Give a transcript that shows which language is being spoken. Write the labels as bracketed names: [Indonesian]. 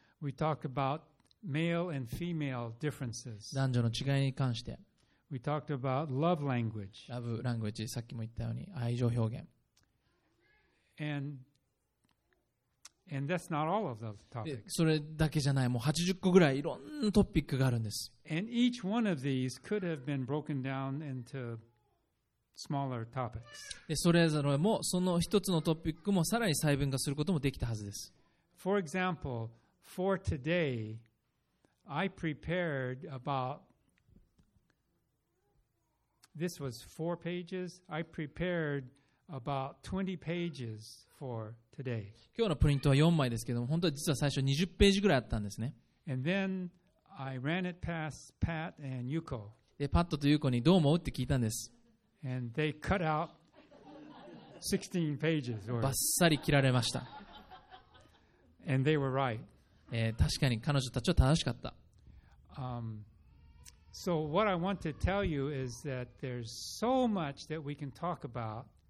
[English] We talked about male and female differences. [Japanese] 男女の違いに関して。 [English] We talked about love language. [Japanese] ラブラングエッジ、さっきも言ったように、愛情表現。 [English] And that's not all of those topics. [Japanese] それだけじゃない、もう80個ぐらいいろんなトピックがあるんです。 [English] And each one of these could have been broken down into smaller topics. [Japanese] で、それぞれもその一つのトピックもさらに細分化することもできたはずです。 [English] For example, for today, I prepared about this was four pages. I prepared about 20 pages. For today. [Japanese] 今日のプリントは4枚ですけども、本当は実は最初20ページぐらいあったんですね。 [English] And then I ran it past Pat and Yuko. [Japanese] で、パットとユコにどう思うって聞いたんです。 [English] And they cut out 16 pages. [Japanese] バッサリ切られました。 [English] And they were right. [Japanese] 確かに彼女たちは正しかった。 [English] So what I want to tell you is that there's so much that we can talk about.